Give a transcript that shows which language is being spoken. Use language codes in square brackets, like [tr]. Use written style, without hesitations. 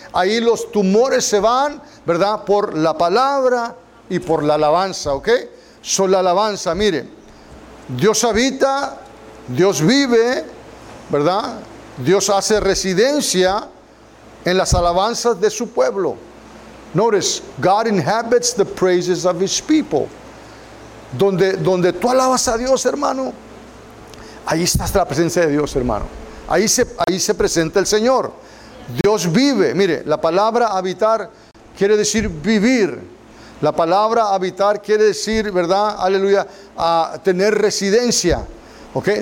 [es] Ahí los tumores se van, ¿verdad? Por la palabra y por la alabanza, ¿ok? Son la alabanza. Mire, Dios habita, Dios vive, ¿verdad? Dios hace residencia en las alabanzas de su pueblo. [en] Notice, God inhabits the praises of his people. [es] Donde tú alabas a Dios, hermano, ahí está la presencia de Dios, hermano. Ahí se presenta el Señor. Dios vive. Mire, la palabra habitar quiere decir vivir. La palabra habitar quiere decir, ¿verdad? Aleluya, a tener residencia. ¿Ok?